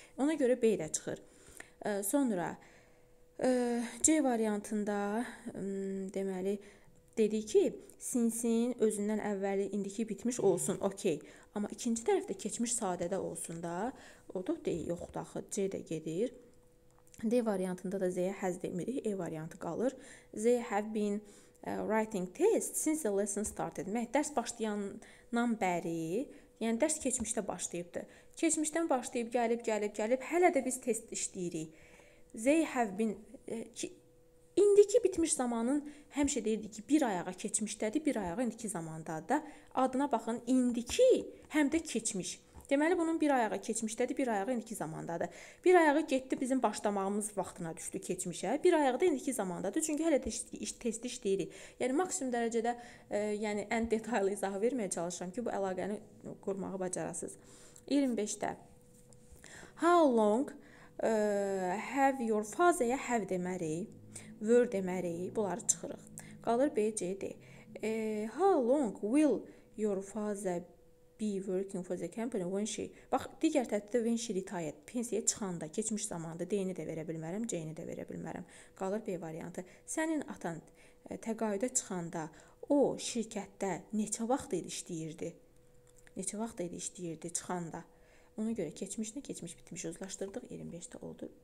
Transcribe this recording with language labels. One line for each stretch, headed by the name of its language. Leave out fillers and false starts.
Azerbaijani: Ona görə B də çıxır. Sonra C variantında deməli dedi ki, since-in özündən əvvəli indiki bitmiş olsun, okey. Amma ikinci tərəfdə keçmiş sadədə olsun da, o da deyil, yoxdur axı, C də gedir. D variantında da Z-yə has demirik, E variantı qalır.
English: Z have been writing tests since the lesson started.
Azerbaijani: Məhz dərs başlayandan bəri, yəni dərs keçmişdə başlayıbdır. Keçmişdən başlayıb, gəlib, hələ də biz test işləyirik. They have been, indiki bitmiş zamanın həmişə deyirdi ki, bir ayağa keçmişdədir, bir ayağa indiki zamandadır da. Adına baxın, indiki həm də keçmiş. Deməli, bunun bir ayağa keçmişdədir, bir ayağa indiki zamandadır. Bir ayağı getdi, bizim başlamağımız vaxtına düşdü keçmişə, bir ayağı da indiki zamandadır. Çünki hələ də test işləyirik. Yəni, maksimum dərəcədə yəni, ən detaylı izahı verməyə çalışıram ki, bu əlaqəni qurmağı bacarasız.
English: 25-də. How long have your father have
Azerbaijani: deməli,
English: were deməli,
Azerbaijani: bunları çıxırıq. Qalır B, C, D.
English: How long will your father be working for the company when she...
Azerbaijani: Bax, digər tətdə
English: when she retired.
Azerbaijani: Pensiyaya çıxanda, keçmiş zamanda D-ni də verə bilmərəm, C-ni də verə bilmərəm. Qalır B variantı. Sənin atan təqayüdə çıxanda o şirkətdə neçə vaxt idi işləyirdi? Neçə vaxt idi işləyirdi çıxanda? Ona görə keçmişinə keçmiş bitmiş uzlaşdırdıq. 25-də oldu.